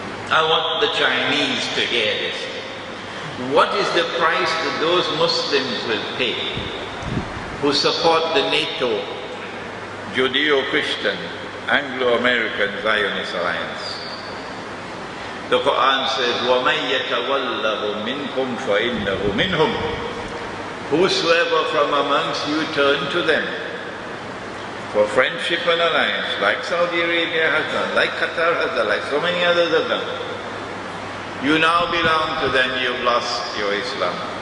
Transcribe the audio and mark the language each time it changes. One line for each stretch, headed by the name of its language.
English: I want the Chinese to hear this. What is the price that those Muslims will pay who support the NATO, Judeo-Christian, Anglo-American Zionist Alliance? The Quran says,
Arabic: وَمَنْ يَتَوَلَّهُ مِنْكُمْ فَإِنَّهُ مِنْهُمْ.
English: Whosoever from amongst you turn to them for friendship and alliance, like Saudi Arabia has done, like Qatar has done, like so many others have done, you now belong to them, you've lost your Islam.